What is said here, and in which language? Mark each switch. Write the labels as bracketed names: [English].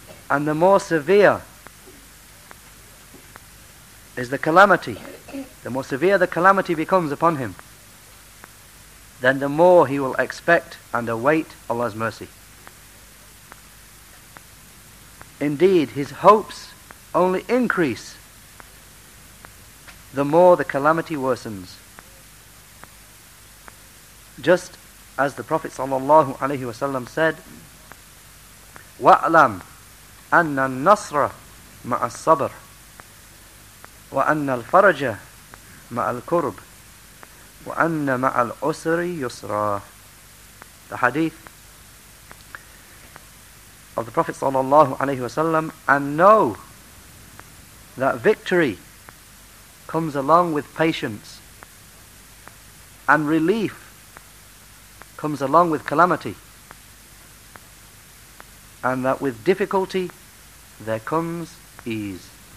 [English] And the more severe is the calamity, the more severe the calamity becomes upon him, then the more he will expect and await Allah's mercy. Indeed, his hopes only increase the more the calamity worsens. Just as the Prophet sallallahu alaihi wasallam said, [Arabic] وَأَلَمْ أَنَّ النَّصْرَ مَعَ الصَّبْرِ وَأَنَّ الْفَرَجَ مَعَ الْكُرْبِ وَأَنَّ مَعَ الْعُسْرِ يُسْرًا. [English] The hadith of the Prophet sallallahu alaihi wasallam, and know that victory comes along with patience, and relief comes along with calamity, and that with difficulty there comes ease.